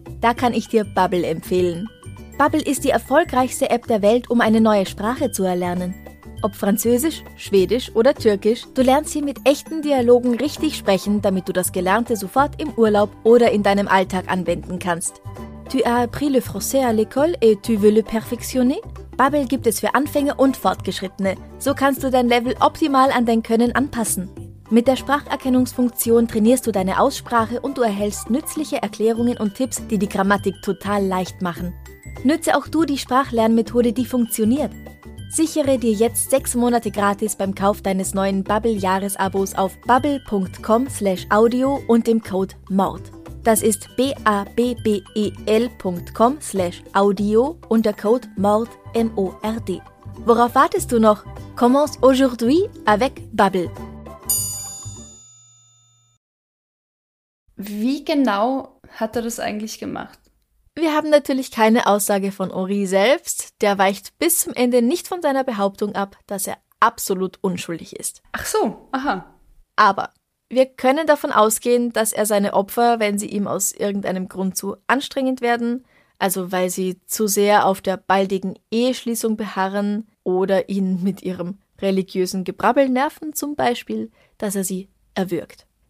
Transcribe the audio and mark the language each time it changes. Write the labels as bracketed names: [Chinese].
[German] Da kann ich dir Babbel empfehlen. Babbel ist die erfolgreichste App der Welt, um eine neue Sprache zu erlernen. Ob Französisch, Schwedisch oder Türkisch, du lernst hier mit echten Dialogen richtig sprechen, damit du das Gelernte sofort im Urlaub oder in deinem Alltag anwenden kannst. [French] Tu as appris le français à l'école et tu veux le perfectionner? [German] Babbel gibt es für Anfänger und Fortgeschrittene. So kannst du dein Level optimal an dein Können anpassen. Mit der Spracherkennungsfunktion trainierst du deine Aussprache und du erhältst nützliche Erklärungen und Tipps, die die Grammatik total leicht machen. Nütze auch du die Sprachlernmethode, die funktioniert. Sichere dir jetzt 6 Monate gratis beim Kauf deines neuen Babbel-Jahresabos auf babbel.com/audio und dem Code MORD. Das ist babbel.com/audio und der Code MORD, M-O-R-D. Worauf wartest du noch? [French] Commence aujourd'hui avec Babbel. [German] Wie genau hat er das eigentlich gemacht? Wir haben natürlich keine Aussage von Henri selbst. Der weicht bis zum Ende nicht von seiner Behauptung ab, dass er absolut unschuldig ist. Ach so, aha. Aber wir können davon ausgehen, dass er seine Opfer, wenn sie ihm aus irgendeinem Grund zu anstrengend werden, also weil sie zu sehr auf der baldigen Eheschließung beharren oder ihn mit ihrem religiösen Gebrabbel nerven zum Beispiel, dass er sie erwürgt.